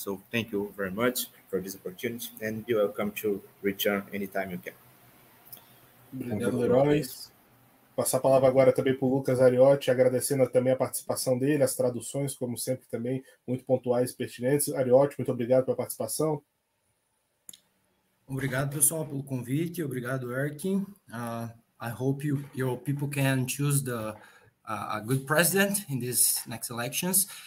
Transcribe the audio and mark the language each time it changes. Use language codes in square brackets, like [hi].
[en] So thank you very much for this opportunity, and you're welcome to return anytime you can. [pt] Obrigado, Leróis. Passar a palavra agora também para o Lucas Ariotti, agradecendo também a participação dele, as traduções, como sempre, também muito pontuais e pertinentes. Ariotti, muito obrigado pela participação. Obrigado, pessoal, pelo convite. Obrigado, Erkin. [en] I hope your people can choose a good president in these next elections.